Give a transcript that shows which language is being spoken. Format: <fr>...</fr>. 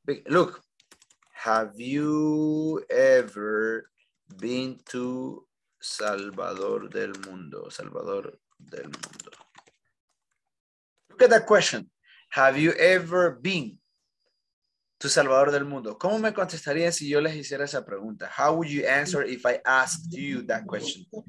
<en>Look, have you ever been to Salvador del Mundo? Salvador del Mundo. Look at that question. Have you ever been to Salvador del Mundo?</en> <es>¿Cómo me contestaría si yo les hiciera esa pregunta?</es> <en>How would you answer if I asked you that question?</en>